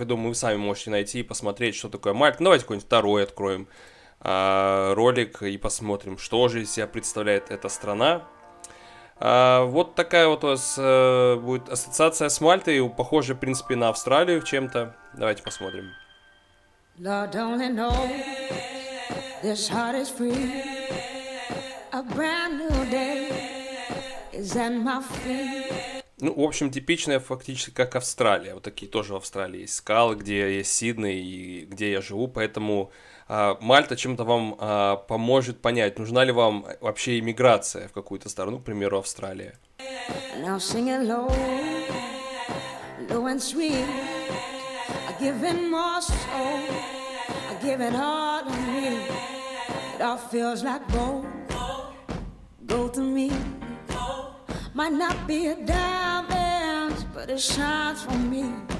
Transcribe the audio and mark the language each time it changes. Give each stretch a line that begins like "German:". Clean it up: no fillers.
Russian: Я думаю, вы сами можете найти и посмотреть, что такое Мальта. Давайте какой-нибудь второй откроем ролик и посмотрим, что же из себя представляет эта страна. Вот такая вот у вас будет ассоциация с Мальтой, похоже, в принципе, на Австралию чем-то. Давайте посмотрим.
English: Lord only knows this heart is free. A brand new day is at my feet.
Russian: Ну, в общем, типичная фактически как Австралия. Вот такие тоже в Австралии есть скалы, где есть Сидней и где я живу. Поэтому Мальта чем-то вам поможет понять, нужна ли вам вообще иммиграция в какую-то страну, к примеру, Австралия.
English: Now sing it low, low and sweet. I give it my soul, I give it all to me. It all feels like gold, gold to me. Might not be a diamond, but it shines for me.